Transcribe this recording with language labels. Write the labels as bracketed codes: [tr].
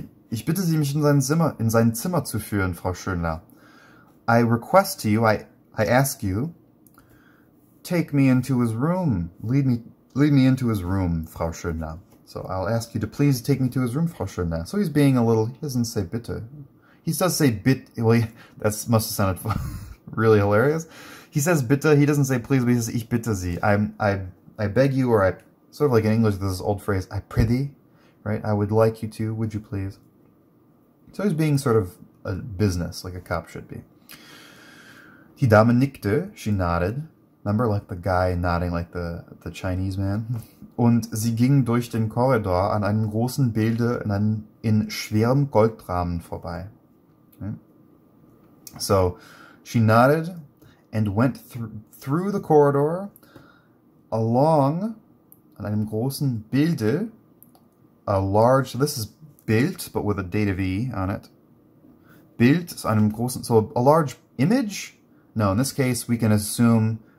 [de] Ich bitte Sie, mich in sein Zimmer zu führen, Frau Schönler. [en] I request to you, I ask you, take me into his room. Lead me into his room, Frau Schönner. So I'll ask you to please take me to his room, Frau Schönner. So he's being a little, he doesn't say bitte. He does say bit, well, that must have sounded really hilarious. He says bitte, he doesn't say please, but he says [de] ich bitte Sie. [en] I beg you, or I, sort of like in English, this old phrase, I prithee, right? I would like you to, would you please? So he's being sort of a business, like a cop should be. [de] Die Dame nickte, [en] she nodded, remember, like the guy nodding, like the Chinese man. [de] Und sie ging durch den Korridor an einem großen Bilde in schwerem Goldrahmen vorbei. [en] Okay. So, she nodded and went through the corridor along [de] an einem großen Bilde, [en] a large, this is Bild, but with a date of E on it. Bild, so a large image? No, in this case, we can assume